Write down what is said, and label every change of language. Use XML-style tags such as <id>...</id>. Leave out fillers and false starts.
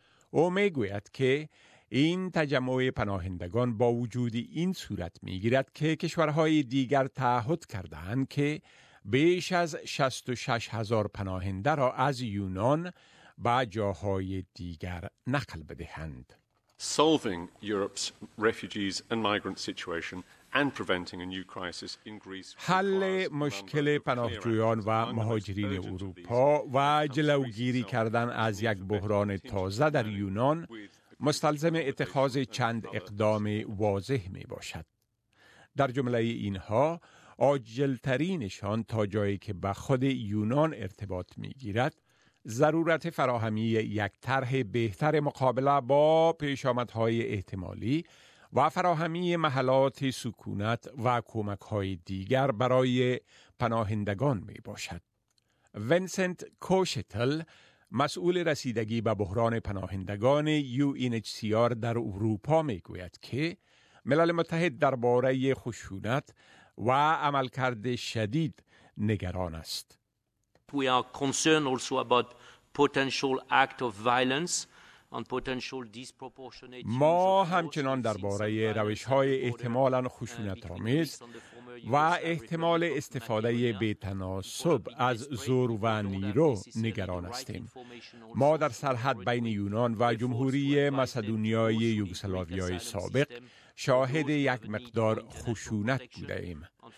<fa>او می گوید که این تجمع پناهندگان با وجود این صورت می گیرد که کشورهای دیگر تعهد کردند که بیش از 66,000 پناهنده را از یونان به جاهای دیگر نقل بدهند.</fa> <en>Solving Europe's refugees and migrant situation and preventing a new crisis in Greece.</en> <fa>حل مشکل پناهجویان و مهاجرین اروپا و جلوگیری کردن از یک بحران تازه در یونان مستلزم اتخاذ چند اقدام واضح می باشد. در جمله اینها، عاجلترینشان تا جایی که به خود یونان ارتباط می گیرد، ضرورت فراهمی یک طرح بهتر مقابله با پیشامدهای احتمالی و فراهمی محلات سکونت و کمک‌های دیگر برای پناهندگان می باشد. وینسنت کوشتل، مسئول رسیدگی به بحران پناهندگان UNHCR در اروپا می گوید که ملل متحد درباره خشونت و عملکرد شدید نگران است.</fa> <en>We are concerned also about potential act of violence and potential disproportionate.</en> <fa>ما همچنان درباره روش‌های احتمالاً خشونت‌آمیز و احتمال استفاده بی‌تناسب از زور و نیرو نگران هستیم. ما در سرحد بین یونان و جمهوری مسدونیای یوگسلاویای سابق شاهد یک مقدار خشونت بوده ایم.</fa>